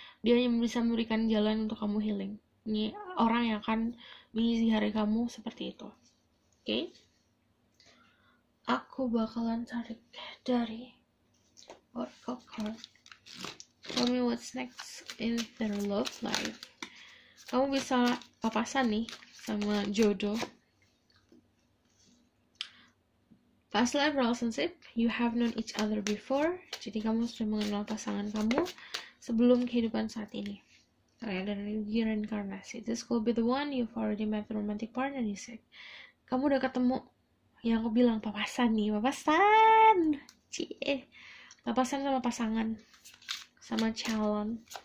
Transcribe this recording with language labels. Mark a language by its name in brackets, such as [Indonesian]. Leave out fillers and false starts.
[Indonesian] Dia yang bisa memberikan jalan untuk kamu healing. Ini orang yang akan mengisi hari kamu seperti itu. Oke. Aku bakalan tarik dari Oracle card. [English] Tell me what's next in their love life. [Indonesian] Kamu bisa papasan nih sama jodoh. [English] Past life relationship, you have known each other before. [Indonesian] Jadi kamu sudah mengenal pasangan kamu sebelum kehidupan saat ini. Kayak dari reinkarnasi. [English] This could be the one you've already met the romantic partner, you said. [Indonesian] Kamu udah ketemu yang aku bilang papasan nih, papasan. Cie. Papasan sama pasangan. Sama calon.